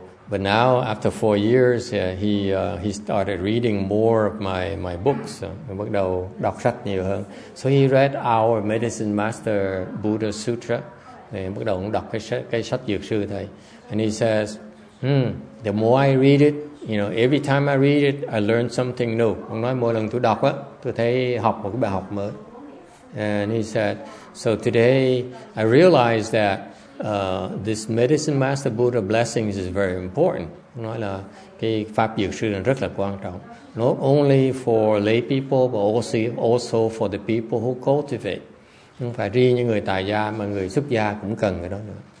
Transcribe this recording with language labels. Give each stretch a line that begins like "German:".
English: But now after 4 years, he started reading more of my books.
Vietnamese: Bắt đầu đọc sách nhiều hơn.
English: So he read our Medicine Master Buddha Sutra.
Vietnamese: Bắt đầu ông đọc cái sách dược sư thầy.
English: And he says, the more I read it, you know, every time I read it, I learn something new.
Vietnamese: Ông nói mỗi lần tôi đọc á, tôi thấy học một cái bài học mới.
English: And he said, so today I realized that this Medicine Master Buddha blessings is very important.
Vietnamese: Ông nói là cái pháp dược sư này rất là quan trọng.
English: Not only for lay people, but also for the people who cultivate.
Vietnamese: Không phải riêng những người tại gia mà người xuất gia cũng cần cái đó nữa.